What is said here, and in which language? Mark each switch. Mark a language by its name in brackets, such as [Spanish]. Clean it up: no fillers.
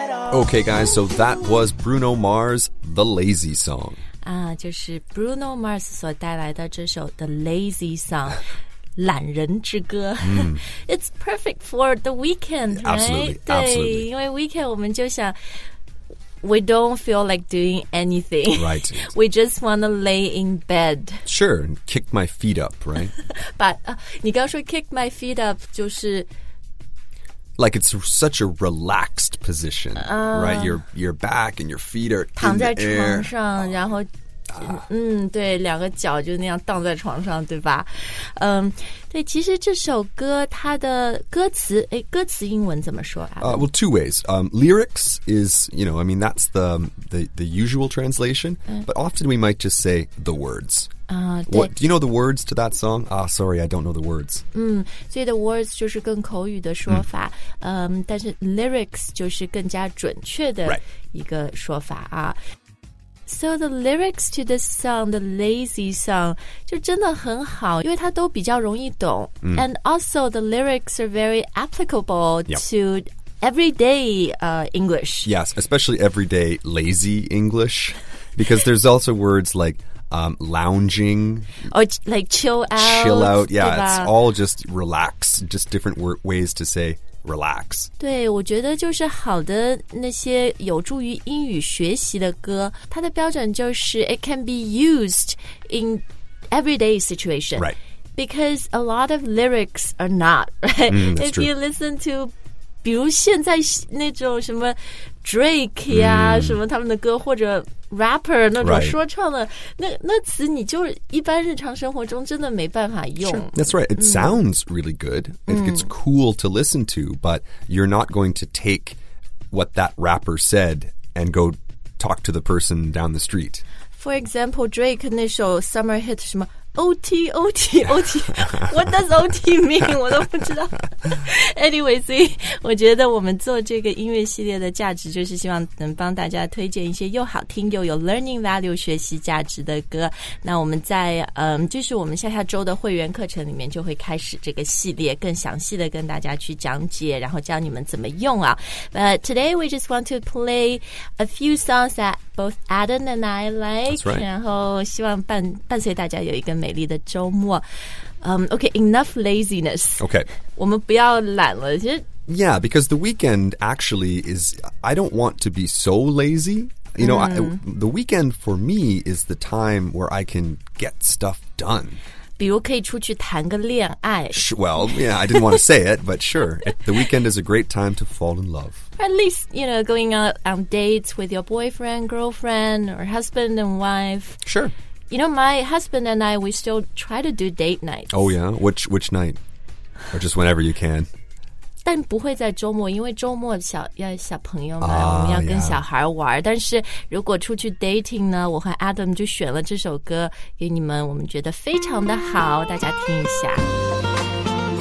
[English] Okay, guys, so that was Bruno Mars, The Lazy Song. [Chinese] 就是 Bruno Mars 所带来的这首 The Lazy Song, 懒人之歌。 [English] It's perfect for the weekend, right? Absolutely. [Chinese] 因为 [English] weekend [Chinese] 我们就想 [English] we don't feel like doing anything. Right. We just want to lay in bed. Sure, and kick my feet up, right? But [Chinese] 你刚说 [English] kick my feet up [Chinese] 就是 [English] Like, it's such a relaxed position, right? Your back and your feet are in the air. [Chinese] 躺在床上，然后，对，两个脚就那样荡在床上，对吧？对，其实这首歌它的歌词，歌词英文怎么说啊？ [English] Well, two ways. Lyrics is, that's the usual translation. But often we might just say the words. What, do you know the words to that song? Sorry, I don't know the words. So the words [Chinese] 就是更口语的说法，但是 lyrics 就是更加准确的一个说法啊。 So the lyrics to this song, the lazy song, 就真的很好，因为它都比较容易懂。 [English] And also the lyrics are very applicable to everyday English. Yes, especially everyday lazy English, because there's also words like,lounging. Or like chill out. Chill out, yeah. It's all just relax. Just different ways to say relax. [Chinese] 对，我觉得就是好的那些有助于英语学习的歌，它的标准就是 [English] it can be used in everyday situation. Right. Because a lot of lyrics are not, right? That's true. If you listen to, [Chinese] 比如现在那种什么 Drake 呀、嗯、什么他们的歌或者 rapper 那种说唱的、right. 那词你就一般日常生活中真的没办法用、 [English] sure. That's right, it、嗯、sounds really good It's cool to listen to But you're not going to take what that rapper said And go talk to the person down the street For example, Drake 那首 summer hit 什么OT, OT, OT. What does OT mean? [Chinese] 我都不知道。 Anyway, 所以我觉得我们做这个音乐系列的价值就是希望能帮大家推荐一些又好听又有 learning value 学习价值的歌。那我们在就是我们下下周的会员课程里面就会开始这个系列更详细的跟大家去讲解然后教你们怎么用啊。 [English] But today we just want to play a few songs thatBoth Adam and I like、 right. [Chinese] 然后希望 伴随大家有一个美丽的周末、 [English] Okay, enough laziness Okay [Chinese] 我们不要懒了 [English] Yeah, because the weekend actually is I don't want to be so lazy You know,、mm. The weekend for me is the time where I can get stuff done [Chinese] 比如可以出去谈个恋爱 [English] Well, yeah, I didn't want to say it, but sure The weekend is a great time to fall in love At least, you know, going out on dates with your boyfriend, girlfriend, or husband and wife. Sure. You know, my husband and I, we still try to do date nights. Oh, yeah? Which night? Or just whenever you can. [Chinese] 但不会在周末,因为周末要小朋友嘛,我们要跟小孩玩。 [English] Yeah. [Chinese] 但是如果出去 dating 呢,我和 Adam 就选了这首歌给你们,我们觉得非常的好,大家听一下。